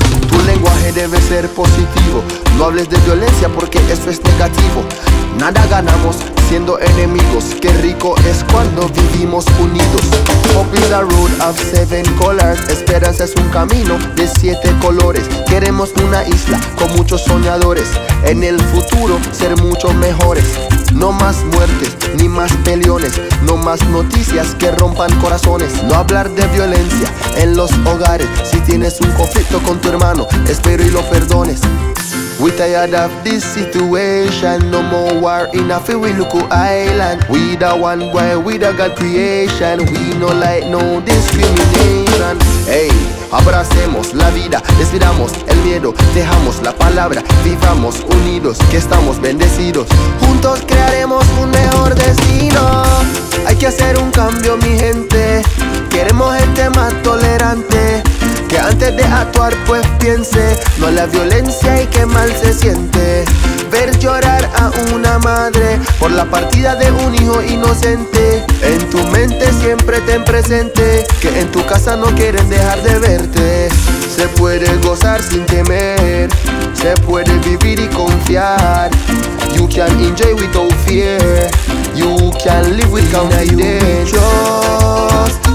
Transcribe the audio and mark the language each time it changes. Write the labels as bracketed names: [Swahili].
[Spanish] Tu lenguaje debe ser positivo. No hables de violencia porque eso es negativo. Nada ganamos siendo enemigos. Qué rico es cuando vivimos unidos. [English] Hope is a road of seven colors. [Spanish] Esperanza es un camino de siete colores. Queremos una isla con muchos soñadores. En el futuro ser mucho mejores. No más muertes, ni más peleones. No más noticias que rompan corazones. No hablar de violencia en los hogares. Si tienes un conflicto con tu hermano, espero y lo perdones. [English] We tired of this situation. No more war in a Filipino island. We the one boy, we the God creation. We no like no discrimination. [Spanish] Hey, abracemos la vida, despidamos el miedo, dejamos la palabra, vivamos unidos, que estamos bendecidos. Juntos crearemos un mejor destino. Hay que hacer un cambio, mi gente. Queremos gente más tolerante. Que antes de actuar pues piense, no a la violencia y qué mal se siente. Ver llorar a una madre por la partida de un hijo inocente. En tu mente siempre ten presente que en tu casa no quieren dejar de verte. Se puede gozar sin temer, se puede vivir y confiar. [English] You can enjoy without fear, you can live with confidence.